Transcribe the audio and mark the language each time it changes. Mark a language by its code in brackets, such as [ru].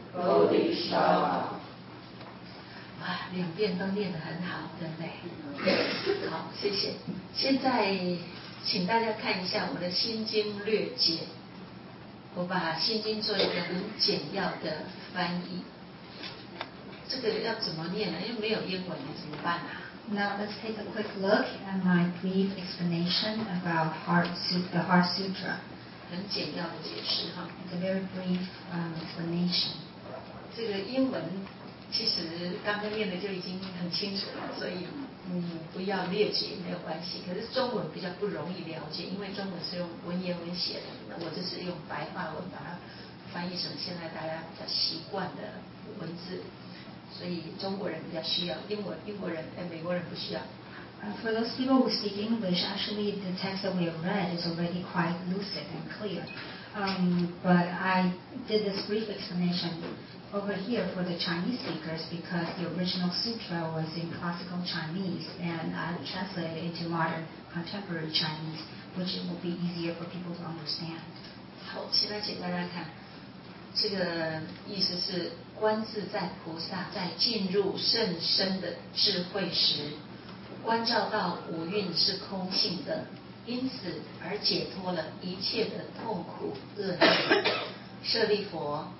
[zh] 哇，两遍都念得很好，对不对？好，谢谢。现在请大家看一下我的心经略解，我把心经做一个很简要的翻译。这个要怎么念呢？因为没有英文，怎么办啊？ [en] Now let's take a quick look at my brief explanation about the Heart Sutra. [zh] 很简要的解释哈。 [en] It's a very brief explanation. [zh] 这个英文其实刚刚念的就已经很清楚了，所以你不要略解没有关系。可是中文比较不容易了解，因为中文是用文言文写的，我就是用白话文把它翻译成现在大家比较习惯的文字，所以中国人比较需要，英国人美国人不需要。 [en] For those people who speak English, actually the text that we have read is already quite lucid and clear. But I did this brief explanation. Over here for the Chinese speakers, because the original sutra was in classical Chinese and I translated into modern contemporary Chinese, which it will be easier for people to understand. [zh] 好，现在请大家看，这个意思是观自在菩萨在进入甚深的智慧时，观照到五蕴是空性的，因此而解脱了一切的痛苦厄难。舍利佛。